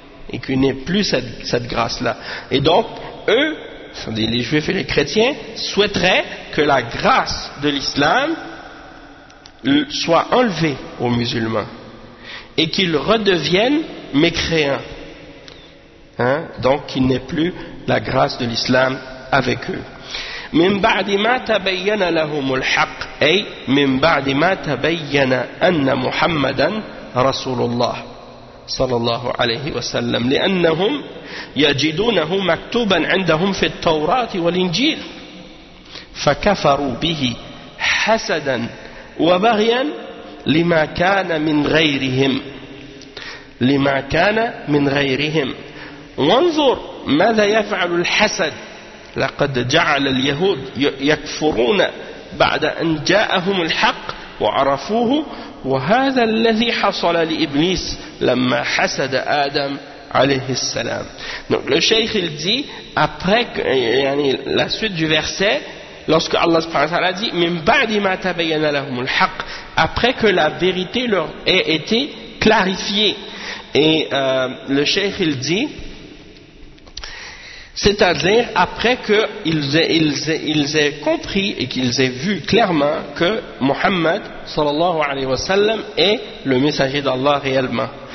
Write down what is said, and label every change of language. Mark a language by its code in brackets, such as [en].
[fr] Et qu'il n'ait plus cette grâce-là. Et donc, eux, c'est-à-dire les juifs et les chrétiens, souhaiteraient que la grâce de l'islam soit enlevée aux musulmans. Et qu'ils redeviennent mécréants. Hein? Donc, qu'il n'ait plus la grâce de l'islam avec eux. [ar] من بعد ما تبين لهم الحق أي من بعد ما تبين أن محمدا رسول الله صلى الله عليه وسلم لأنهم يجدونه مكتوبا عندهم في التوراة والإنجيل فكفروا به حسدا وبغيا لما كان من غيرهم لما كان من غيرهم وانظر ماذا يفعل الحسد لقد جعل اليهود يكفرون بعد أن جاءهم الحق وعرفوه وهذا الذي حصل لإبليس لما حسد آدم عليه السلام. [fr] Donc, le cheikh il dit après yani, la suite du verset lorsque Allah subhanahu wa ta'ala dit [ar] min ba'di ma tabayyana lahum al-haq, [fr] après que la vérité leur ait été clarifiée. Et le cheikh il dit, c'est-à-dire après qu'ils aient compris et qu'ils aient vu clairement que Muhammad sallallahu alayhi wa sallam est le messager d'Allah réellement.